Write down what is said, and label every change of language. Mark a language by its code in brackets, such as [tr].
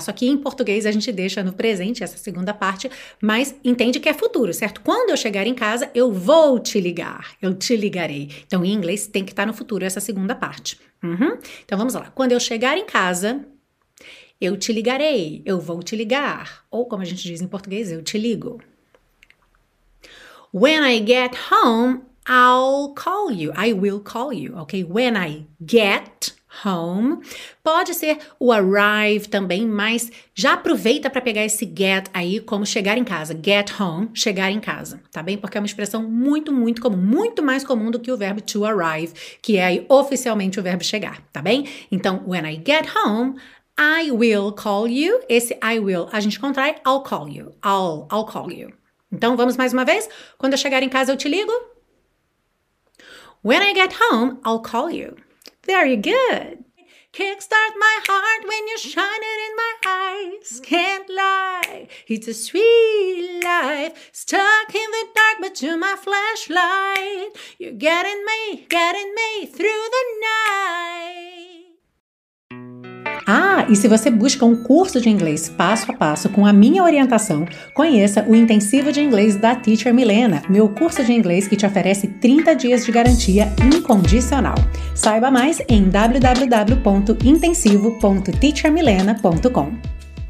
[pt] Só que em português a gente deixa no presente essa segunda parte, mas entende que é futuro, certo? Quando eu chegar em casa, eu vou te ligar, eu te ligarei. Então, em inglês, tem que estar no futuro essa segunda parte. Uhum. Então, vamos lá. Quando eu chegar em casa, eu te ligarei, eu vou te ligar. Ou, como a gente diz em português, eu te ligo. [en] When I get home, I'll call you. I will call you, ok? When I get home. [pt] Pode ser o arrive também, mas já aproveita para pegar esse get aí como chegar em casa. [en] Get home, [pt] chegar em casa, tá bem? Porque é uma expressão muito, muito comum. Muito mais comum do que o verbo to arrive, que é aí oficialmente o verbo chegar, tá bem? [en] Então, when I get home, I will call you. Esse I will, [pt] a gente contrai, [en] I'll call you. I'll call you. [pt] Então, vamos mais uma vez? Quando eu chegar em casa, eu te ligo? [en] When I get home, I'll call you. Very good. Kickstart my heart when you shine it in my eyes. Can't lie, it's a sweet life. Stuck in the dark, but to my flashlight. You're getting me through the night. [pt] Ah, e se você busca um curso de inglês passo a passo com a minha orientação, conheça o Intensivo de Inglês da Teacher Milena, meu curso de inglês que te oferece 30 dias de garantia incondicional. Saiba mais em www.intensivo.teachermilena.com.